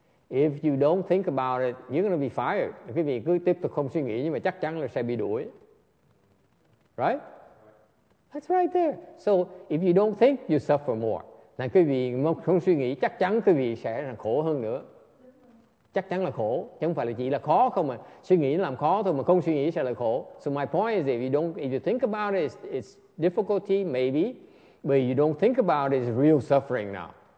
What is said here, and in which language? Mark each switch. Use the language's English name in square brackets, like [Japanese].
[English] If you don't think about it, you're going to be fired. [Vietnamese] Quý vị cứ tiếp tục không suy nghĩ, nhưng mà chắc chắn là sẽ bị đuổi. [English] Right? That's right there. So if you don't think, you suffer more. [Vietnamese] Là quý vị không suy nghĩ, chắc chắn quý vị sẽ khổ hơn nữa. Chắc chắn là khổ. Chứ không phải là chỉ là khó không mà. Suy nghĩ làm khó thôi mà không suy nghĩ sẽ là khổ. [English] So my point is if you think about it, it's difficulty maybe. But if you don't think about it, it's real suffering now.